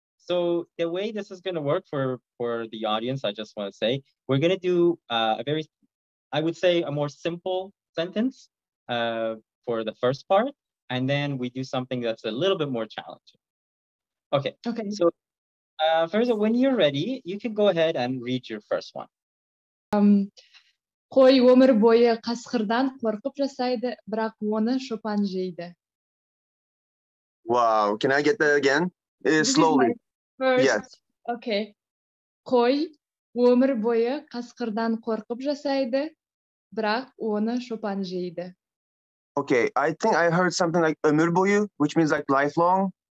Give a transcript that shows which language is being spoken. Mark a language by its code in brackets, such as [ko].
[en] So the way this is going to work for the audience, I just want to say, we're going to do a very, I would say, a more simple sentence for the first part. And then we do something that's a little bit more challenging. Okay. Okay. So, Feruza, when you're ready, you can go ahead and read your first one. [kk] Қой өмір бойы қасқырдан қорқып жасайды, бірақ оны шопан жейді. [en] Wow. Can I get that again? Slowly. First. Yes. Okay. [kk] Қой өмір бойы қасқырдан қорқып жасайды, бірақ оны шопан жейді. [en] Okay, I think I heard something like [tr] ömür boyu, [en] which means like lifelong.